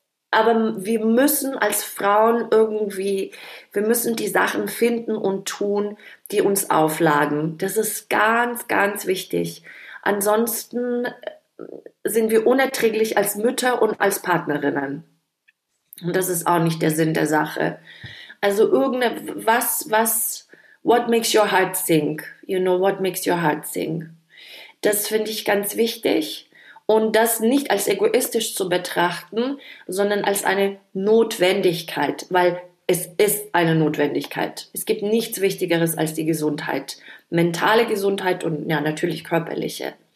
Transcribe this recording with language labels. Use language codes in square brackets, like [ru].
[de] aber wir müssen als Frauen irgendwie, wir müssen die Sachen finden und tun, die uns aufladen. Das ist ganz, ganz wichtig. Ansonsten sind wir unerträglich als Mütter und als Partnerinnen. Und das ist auch nicht der Sinn der Sache. Also irgendwas, [en] what makes your heart sing? You know, what makes your heart sing? [de] Das finde ich ganz wichtig. Und das nicht als egoistisch zu betrachten, sondern als eine Notwendigkeit, weil es ist eine Notwendigkeit. Es gibt nichts Wichtigeres als die Gesundheit, mentale Gesundheit und ja, natürlich körperliche.